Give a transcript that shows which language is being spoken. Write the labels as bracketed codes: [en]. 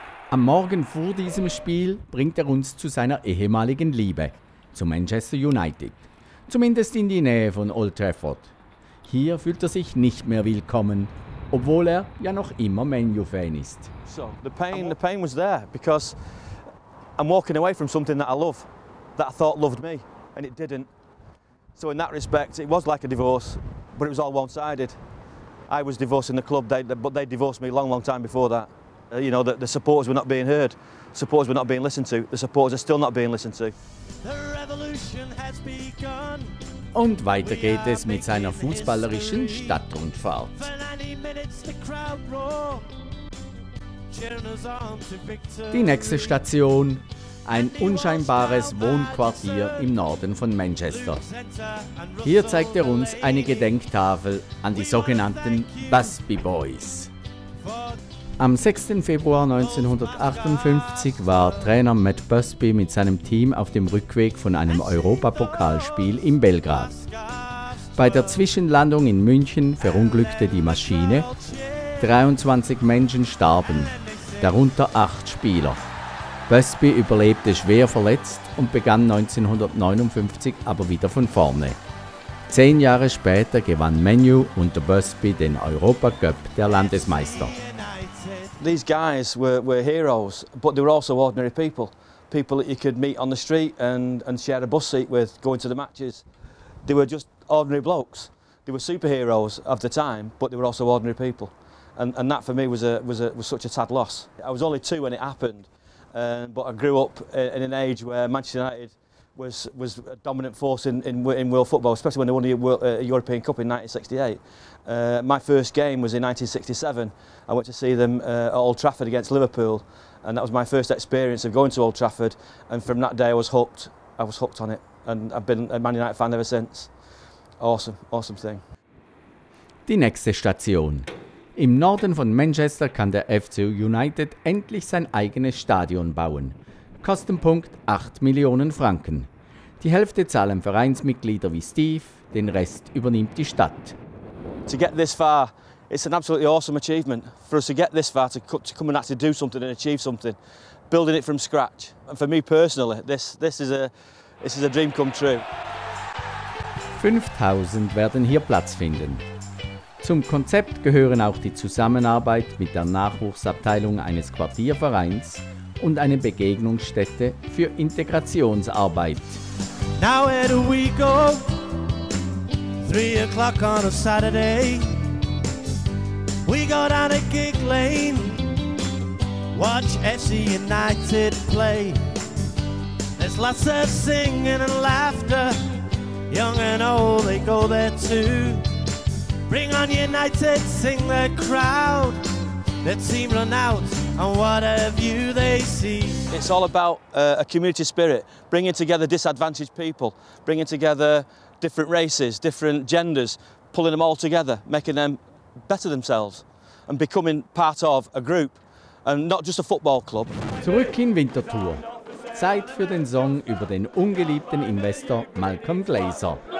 [de] Am Morgen vor diesem Spiel bringt er uns zu seiner ehemaligen Liebe, zu Manchester United. Zumindest in die Nähe von Old Trafford. Hier fühlt er sich nicht mehr willkommen, obwohl er ja noch immer Manu-Fan ist. [en] So, the pain was there because I'm walking away from something that I love, that I thought loved me, and it didn't. So in that respect, it was like a divorce, but it was all one-sided. I was divorcing the club, but they divorced me long, long time before that. You know, the supporters were not being heard, supporters were not being listened to, the supporters are still not being listened to. The revolution has begun. [de] Und weiter geht es mit seiner fußballerischen Stadtrundfahrt. Die nächste Station, ein unscheinbares Wohnquartier im Norden von Manchester. Hier zeigt er uns eine Gedenktafel an die sogenannten Busby Boys. Am 6. Februar 1958 war Trainer Matt Busby mit seinem Team auf dem Rückweg von einem Europapokalspiel in Belgrad. Bei der Zwischenlandung in München verunglückte die Maschine. 23 Menschen starben, darunter 8 Spieler. Busby überlebte schwer verletzt und begann 1959 aber wieder von vorne. 10 Jahre später gewann Manu unter Busby den Europacup der Landesmeister. [en] These guys were heroes, but they were also ordinary people. People that you could meet on the street and share a bus seat with going to the matches. They were just ordinary blokes. They were superheroes of the time, but they were also ordinary people. And that for me was such a sad loss. I was only 2 when it happened, but I grew up in an age where Manchester United was a dominant force in world football, especially when they won the European Cup in 1968. My first game was in 1967. I went to see them at Old Trafford against Liverpool, and that was my first experience of going to Old Trafford. And from that day, I was hooked. I was hooked on it, and I've been a Man United fan ever since. Awesome, awesome thing. [de] Die nächste Station. Im Norden von Manchester kann der FC United endlich sein eigenes Stadion bauen. Kostenpunkt 8 Millionen Franken. Die Hälfte zahlen Vereinsmitglieder wie Steve, den Rest übernimmt die Stadt. [en] To get this far, it's an absolutely awesome achievement. For us to get this far, to come and actually do something and achieve something, building it from scratch. And for me personally, this is a dream come true. [de] 5.000 werden hier Platz finden. Zum Konzept gehören auch die Zusammenarbeit mit der Nachwuchsabteilung eines Quartiervereins und eine Begegnungsstätte für Integrationsarbeit. [en] Now where do we go? 3 o'clock on a Saturday. We go down a gig lane. Watch FC United play. There's lots of singing and laughter. Young and old, they go there too. Bring on United, sing the crowd. Their team run out, and what a view they see. It's all about a community spirit, bringing together disadvantaged people, bringing together different races, different genders, pulling them all together, making them better themselves, and becoming part of a group, and not just a football club. [de] Zurück in Winterthur. Zeit für den Song über den ungeliebten Investor Malcolm Glazer.